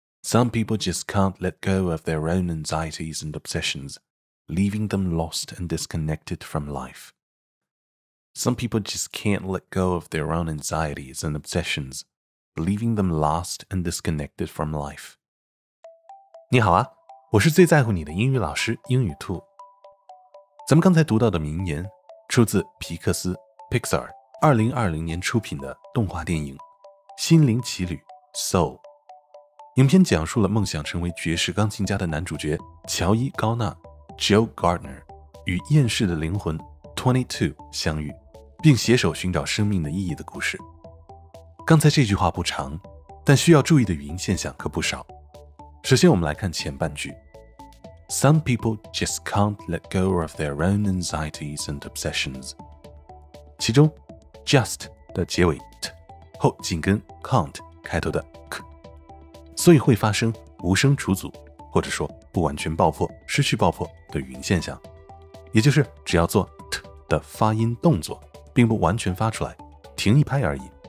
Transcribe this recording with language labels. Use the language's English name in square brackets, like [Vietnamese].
[English] Some people just can't let go of their own anxieties and obsessions, leaving them lost and disconnected from life. Some people just can't let go of their own anxieties and obsessions, leaving them lost and disconnected from life. [Chinese] 你好啊，我是最在乎你的英语老师英语兔。咱们刚才读到的名言出自皮克斯 Pixar 2020年出品的动画电影《心灵奇旅》Soul。影片讲述了梦想成为爵士钢琴家的男主角乔伊·高纳 Joe Gardner 与厌世的灵魂22相遇，并携手寻找生命的意义的故事。刚才这句话不长，但需要注意的语音现象可不少。首先我们来看前半句。 [English] Some people just can't let go of their own anxieties and obsessions. [Chinese] 其中 just 的结尾 t 后紧跟 can't 开头的 k， 所以会发生无声除阻，或者说不完全爆破、失去爆破的语音现象，也就是只要做的发音动作并不完全发出来，停一拍而已。